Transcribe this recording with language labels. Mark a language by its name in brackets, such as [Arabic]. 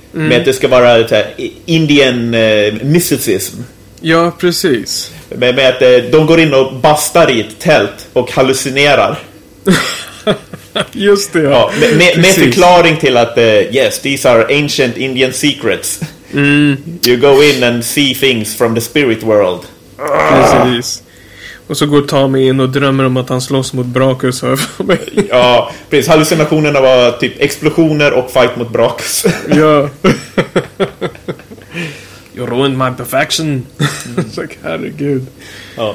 [Swedish] Mm. Med att det ska vara så här, Indian mysticism. Ja, precis. Med att de går in och bastar i ett tält och hallucinerar. Just det, ja. Med förklaring till att [English] yes, these are ancient Indian secrets. You go in and see things from the spirit world. [Swedish] Precis. Och så går Tommy in och drömmer om att han slåss mot Brakus. Ja, precis. Hallucinationerna var typ explosioner och fight mot Brakus. Ja. [English] You ruined my perfection. Like, [Swedish] herregud. Ja.